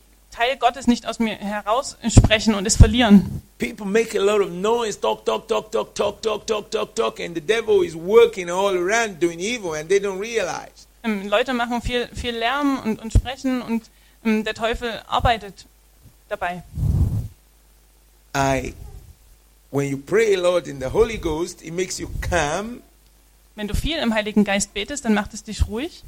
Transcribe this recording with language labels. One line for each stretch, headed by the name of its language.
German: Teil Gottes nicht aus mir heraus sprechen und es verlieren.
English: People make a lot of noise, talk, and the devil is working all around doing evil and they don't realize.
German: Leute machen viel Lärm und sprechen und der Teufel arbeitet dabei.
English: When you pray a lot in the Holy Ghost, it makes you calm.
German: Wenn du viel im Heiligen Geist betest, dann macht es dich ruhig.